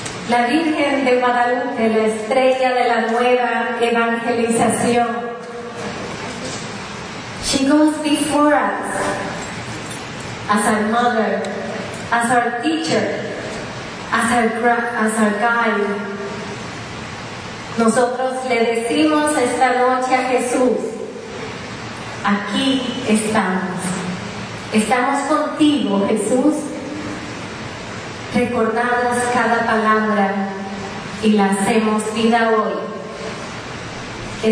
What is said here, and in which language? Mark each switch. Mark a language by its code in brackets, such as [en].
[es] La Virgen de Guadalupe, la estrella de la nueva evangelización. [en] She goes before us as our mother, as our teacher, as our guide. [es] Nosotros le decimos esta noche a Jesús, aquí estamos. Estamos contigo, Jesús. Recordamos cada palabra y la hacemos vida hoy.